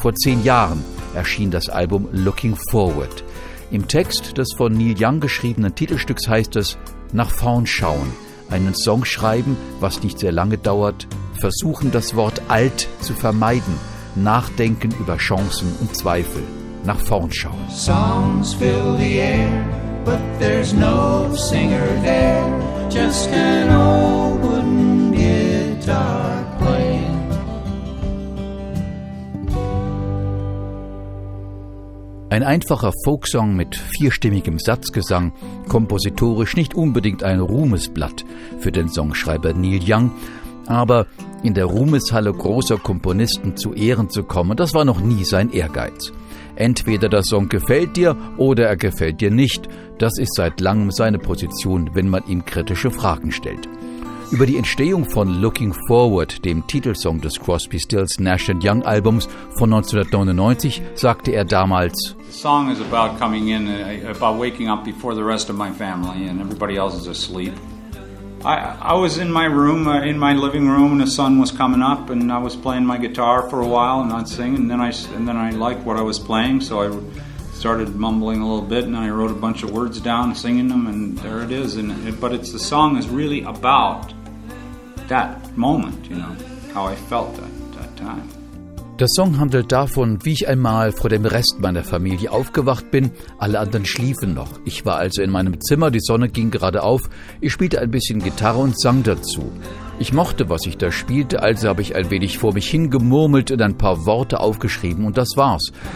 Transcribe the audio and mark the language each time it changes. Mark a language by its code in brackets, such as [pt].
[de] Vor 10 Jahren erschien das Album Looking Forward. Im Text des von Neil Young geschriebenen Titelstücks heißt es: Nach vorn schauen, einen Song schreiben, was nicht sehr lange dauert, versuchen, das Wort alt zu vermeiden, nachdenken über Chancen und Zweifel, nach vorn schauen. [en] Songs fill the air, but there's no singer there, just an old wooden guitar playing. [de] Ein einfacher Folksong mit vierstimmigem Satzgesang, kompositorisch nicht unbedingt ein Ruhmesblatt für den Songschreiber Neil Young, aber in der Ruhmeshalle großer Komponisten zu Ehren zu kommen, das war noch nie sein Ehrgeiz. Entweder der Song gefällt dir oder er gefällt dir nicht. Das ist seit langem seine Position, wenn man ihm kritische Fragen stellt. Über die Entstehung von Looking Forward, dem Titelsong des Crosby, Stills, Nash & Young Albums von 1999, sagte er damals: [en] The song is about coming in, about waking up before the rest of my family and everybody else is asleep. I was in my room, in my living room, and the sun was coming up, and I was playing my guitar for a while and not singing, and then I liked what I was playing, so I started mumbling a little bit, and then I wrote a bunch of words down, singing them, and there it is. But the song is really about that moment, you know, how I felt that time. [de] Der Song handelt davon, wie ich einmal vor dem Rest meiner Familie aufgewacht bin. Alle anderen schliefen noch. Ich war also in meinem Zimmer, die Sonne ging gerade auf. Ich spielte ein bisschen Gitarre und sang dazu. Ich mochte, was ich da spielte, also habe ich ein wenig vor mich hingemurmelt und ein paar Worte aufgeschrieben und das war's.